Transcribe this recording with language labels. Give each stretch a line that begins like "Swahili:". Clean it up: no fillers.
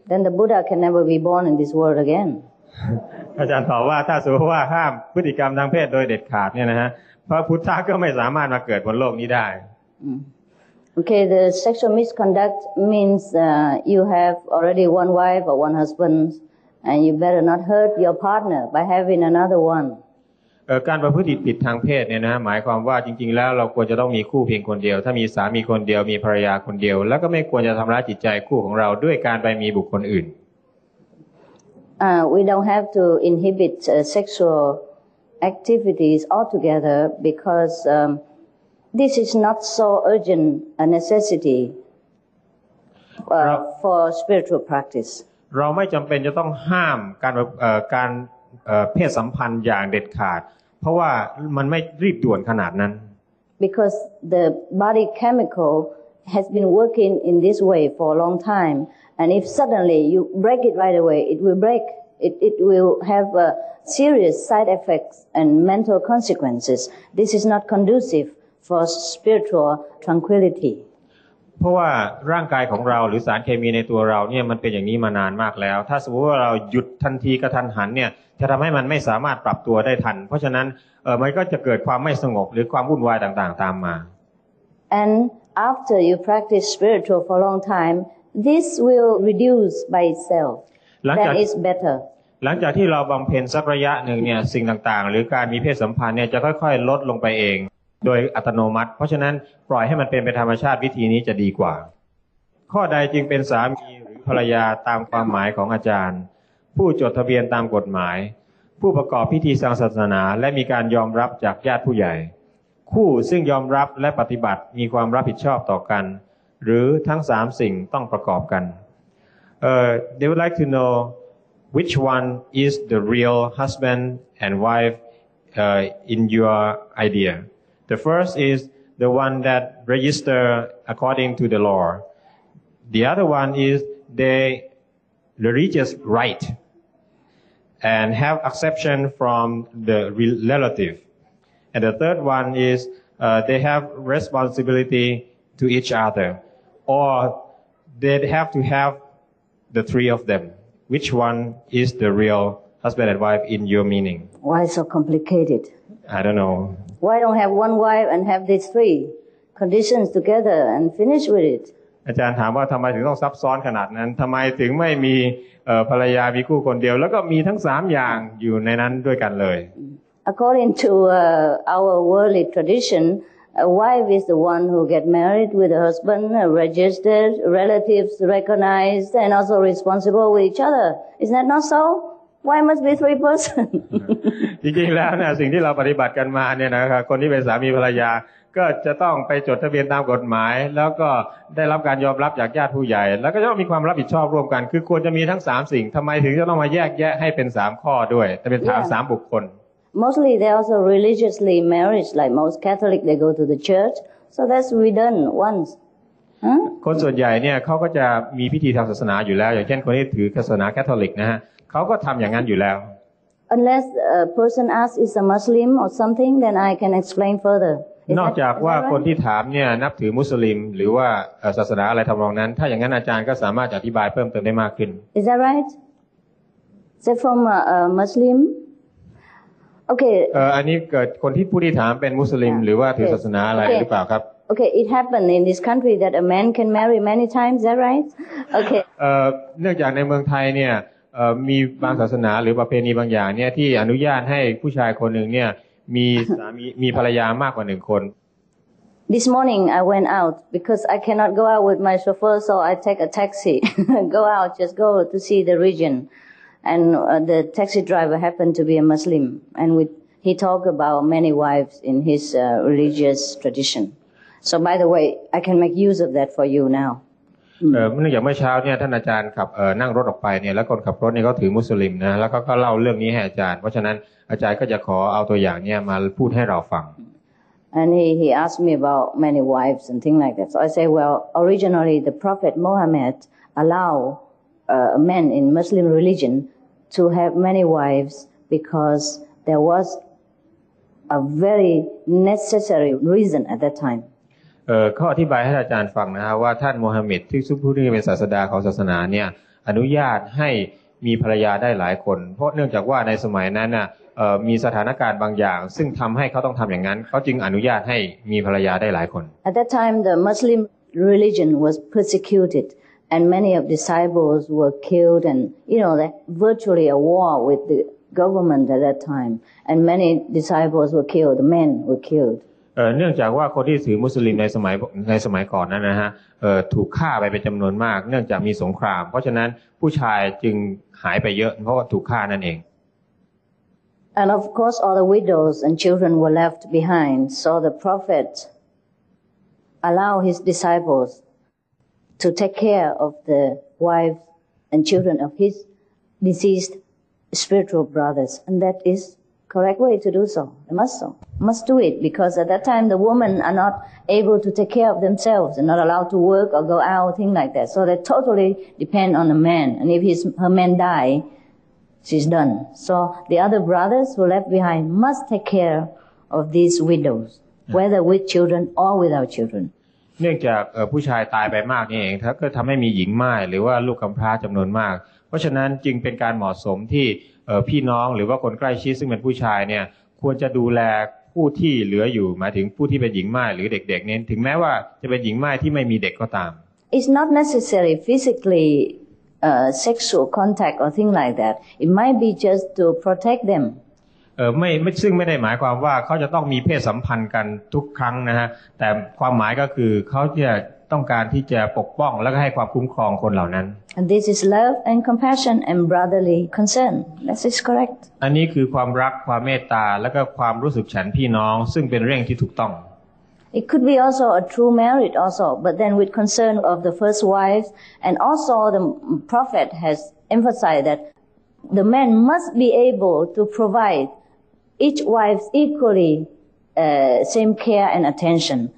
English: then the buddha can never be born in this world again
Thai: อาจารย์ตอบว่าถ้าสมมติว่าห้ามพฤติกรรมทางเพศโดยเด็ดขาดเนี่ยนะฮะพระพุทธะก็ไม่สามารถมาเกิดบนโลกนี้ได้
English: okay the sexual misconduct means you have already one wife or one husband and you better not hurt your partner by having another one
Thai: การประพฤติผิดทางเพศเนี่ยนะฮะหมายความว่าจริงๆแล้วเราควรจะต้องมีคู่เพียงคนเดียวถ้ามีสามีคนเดียวมีภรรยาคนเดียวแล้วก็ไม่ควรจะทำร้ายจิตใจคู่ของเราด้วยการไปมีบุคคลอื่น
English: We don't have to inhibit sexual activities altogether because this is not so urgent a necessity for spiritual practice
Thai: เราไม่จำเป็นจะต้องห้ามการเพศสัมพันธ์อย่างเด็ดขาดเพราะว่ามันไม่รีบด่วนขนาดนั้น
English: because the body chemical has been working in this way for a long time and if suddenly you break it right away it will break it will have a serious side effects and mental consequences this is not conducive for spiritual tranquility
Thai: เพราะว่าร่างกายของเราหรือสารเคมีในตัวเราเนี่ยมันเป็นอย่างนี้มานานมากแล้วถ้าสมมติว่าเราหยุดทันทีกระทันหันเนี่ยจะทำให้มันไม่สามารถปรับตัวได้ทันเพราะฉะนั้นมันก็จะเกิดความไม่สงบหรือความวุ่นวายต่างๆตามมา
English: And after you practice spiritual for a long time this will reduce by itself that is better
Thai: หลังจากที่เราบำเพ็ญสักระยะหนึ่งเนี่ยสิ่งต่างๆหรือการมีเพศสัมพันธ์เนี่ยจะค่อยๆลดลงไปเองโดยอัตโนมัติเพราะฉะนั้นปล่อยให้มันเป็นไปธรรมชาติวิธีนี้จะดีกว่าข้อใดจึงเป็นสามีหรือภรรยาตามความหมายของอาจารย์ผู้จดทะเบียนตามกฎหมายผู้ประกอบพิธีทางศาสนาและมีการยอมรับจากญาติผู้ใหญ่คู่ซึ่งยอมรับและปฏิบัติมีความรับผิดชอบต่อกันหรือทั้งสามสิ่งต้องประกอบกัน
English: They would like to know which one is the real husband and wife in your idea? The first is the one that register according to the law. The other one is the religious right and have exception from the relative. And the third one is they have responsibility to each other, or they have to have the three of them. Which one is the real husband and wife in your meaning? Why so complicated? I don't know. Why don't have one wife and have these three conditions together and finish with it?
Thai: อาจารย์ถามว่าทำไมถึงต้องซับซ้อนขนาดนั้นทำไมถึงไม่มีภรรยามีคู่คนเดียวแล้วก็มีทั้งสามอย่างอยู่ในนั้นด้วยกันเลย
English: According to our worldly tradition, a wife is the one who get married with a husband, registered, relatives recognized, and also responsible with each other. Is that not so? Why must be three persons?
Thai: จริงๆแล้วนะสิ่งที่เราปฏิบัติกันมาเนี่ยนะครับคนที่เป็นสามีภรรยาก็จะต้องไปจดทะเบียนตามกฎหมายแล้วก็ได้รับการยอมรับจากญาติผู้ใหญ่แล้วก็จะต้องมีความรับผิดชอบร่วมกันคือควรจะมีทั้งสามสิ่งทำไมถึงจะต้องมาแยกแยะให้เป็นสามข้อด้วยจะเป็นสามบุคคล
English: Mostly they also religiously married like most Catholic they go to the church so that's we done once
Thai: คนส่วนใหญ่เนี่ยเขาก็จะมีพิธีทางศาสนาอยู่แล้วอย่างเช่นคนที่ถือศาสนาแคทอลิกนะฮะเขาก็ทำอย่างนั้นอยู่แล้ว
English: Unless a person asks is a Muslim or something then I can explain further
Thai: นอกจากว่าคนที่ถามเนี่ยนับถือมุสลิมหรือว่าศาสนาอะไรทำนองนั้นถ้าอย่างนั้นอาจารย์ก็สามารถอธิบายเพิ่มเติมได้มากขึ้น
English: Is that right? Is that from a Muslim? Okay
Thai: อันนี้เกิดคนที่ผู้ที่ถามเป็นมุสลิมหรือว่าถือศาสนาอะไรหรือเปล่าครับ
English: Okay, it happened in this country that a man can marry many times. Is that right? Okay.
Thai: เนื่องจากในเมืองไทยเนี่ยมีบางศาสนาหรือประเพณีบางอย่างเนี่ยที่อนุญาตให้ผู้ชายคนหนึ่งเนี่ยมีสามีมีภรรยามากกว่าหนึ่งคน
English: This morning I went out because I cannot go out with my chauffeur, so I take a taxi. Go out, just go to see the region, and the taxi driver happened to be a Muslim, and he talked about many wives in his religious tradition. So by the way, I can make use of that for you now.
Thai: เมื่อเมื่อเช้าเนี่ยท่านอาจารย์ขับนั่งรถออกไปเนี่ยแล้วคนขับรถเนี่ยก็ถือมุสลิมนะแล้วก็เล่าเรื่องนี้ให้อาจารย์เพราะฉะนั้นอาจารย์ก็จะขอเอาตัวอย่างเนี่ยมาพูดให้เราฟัง
English: And he asked me about many wives and things like that. So I say, well, originally the Prophet Muhammad allow a man in Muslim religion to have many wives because there was a very necessary reason at that time.
Thai: ข้ออธิบายให้อาจารย์ฟังนะครับว่าท่านมูฮัมหมัดที่ซุปุรีเป็นศาสดาของศาสนาเนี่ยอนุญาตให้มีภรรยาได้หลายคนเพราะเนื่องจากว่าในสมัยนั้นน่ะมีสถานการณ์บางอย่างซึ่งทำให้เขาต้องทำอย่างนั้นเขาจึงอนุญาตให้มีภรรยาได้หลายคน
English: At that time the Muslim religion was persecuted and many of disciples were killed and you know that virtually a war with the government at that time and many disciples were killed men were killed
Thai: เนื่องจากว่าคนที่ถือมุสลิมในสมัยก่อนนั้นนะฮะถูกฆ่าไปเป็นจำนวนมากเนื่องจากมีสงครามเพราะฉะนั้นผู้ชายจึงหายไปเยอะเพราะว่าถูกฆ่านั่นเอง
English: And of course all the widows and children were left behind so the prophet allow his disciples to take care of the wives and children of his deceased spiritual brothers and that iscorrect way to do so. They must do it because at that time the women are not able to take care of themselves and not allowed to work or go out, things like that. So they totally depend on a man. And if her man die, she's done. So the other brothers who left behind must take care of these widows, whether with children or without children.
Thai: เนื่องจากผู้ชายตายไปมากนี่เองก็ทำให้มีหญิงม่ายหรือว่าลูกกำพร้าจำนวนมากเพราะฉะนั้นจึงเป็นการเหมาะสมที่พี่น้องหรือว่าคนใกล้ชิดซึ่งเป็นผู้ชายเนี่ยควรจะดูแลผู้ที่เหลืออยู่หมายถึงผู้ที่เป็นหญิงม่ายหรือเด็กๆเนี่ยถึงแม้ว่าจะเป็นหญิงม่ายที่ไม่มีเด็กก็ตาม
English: It's not necessary physically sexual contact or thing like that it might be just to protect them
Thai: ไม่ซึ่งไม่ได้หมายความว่าเขาจะต้องมีเพศสัมพันธ์กันทุกครั้งนะฮะแต่ความหมายก็คือเขาจะต้องการที่จะปกป้องแล้วก็ให้ความคุ้มครองคนเหล่านั้น
English: And this is love and compassion and brotherly concern. That is correct.
Thai: อันนี้คือความรักความเมตตาแล้วก็ความรู้สึกฉันพี่น้องซึ่งเป็นเรื่องที่ถูกต้อง
English: It could be also a true marriage also, but then with concern of the first wife, and also the prophet has emphasized that the man must be able to provide each wife equally same care and attention.